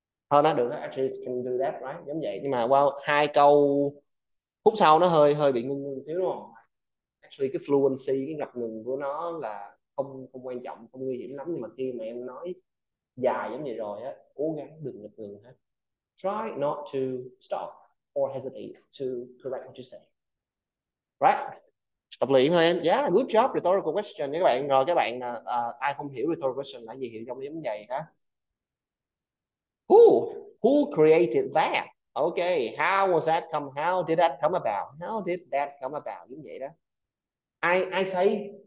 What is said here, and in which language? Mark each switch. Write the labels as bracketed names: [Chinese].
[Vietnamese] Thôi nó được đó, [English] actually can do that, right? [Vietnamese] Giống vậy, nhưng mà qua hai câu phút sau nó hơi bị ngưng thiếu đúng không? Actually cái fluency, cái ngập ngừng của nó là không quan trọng, không nguy hiểm lắm. Nhưng mà khi mà em nói dài giống vậy rồi á, cố gắng đừng ngập ngừng ha. [English] Try not to stop or hesitate to correct what you say. [Vietnamese] Right? Tập luyện thôi em. [English] Yeah, good job, [Vietnamese] rhetorical question nha các bạn. Rồi các bạn, ai không hiểu rhetorical question là gì hiểu trong vấn đề hả? [English] Who created that? Okay, how was that come? How did that come about? How did that come about? [Vietnamese] Giống vậy đó. Ai say?